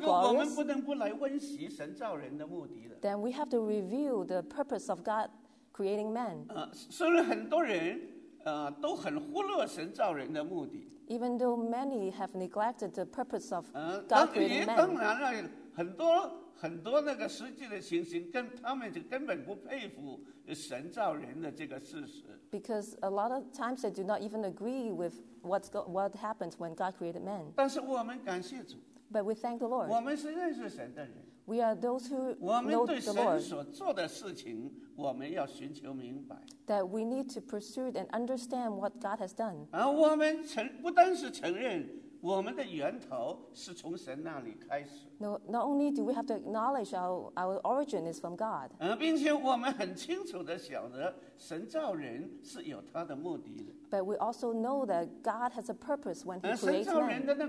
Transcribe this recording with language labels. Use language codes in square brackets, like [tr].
[zh] 这个我们不能不来温习神造人的目的的。 [en] Then we have to review the purpose of God creating man. [zh] 虽然很多人都很忽略神造人的目的。 [en] Even though many have neglected the purpose of God creating man. [zh] 当然了，很多。很多那个实际的情形，跟他们就根本不佩服神造人的这个事实。 [en] Because a lot of times they do not even agree with what happens when God created man. [zh] 但是我们感谢主。 [en] But we thank the Lord. [zh] 我们是认识神的人。 [en] We are those who know the Lord. [zh] 我们对神所做的事情，我们要寻求明白。 [en] That we need to pursue and understand what God has done. [zh] 而我们不单是承认。我们的源头是从神那里开始。 [en] No, not only do we have to acknowledge our origin is from God. [zh] 并且我们很清楚地晓得神造人是有他的目的的。 [en] But we also know that God has a purpose when He creates man.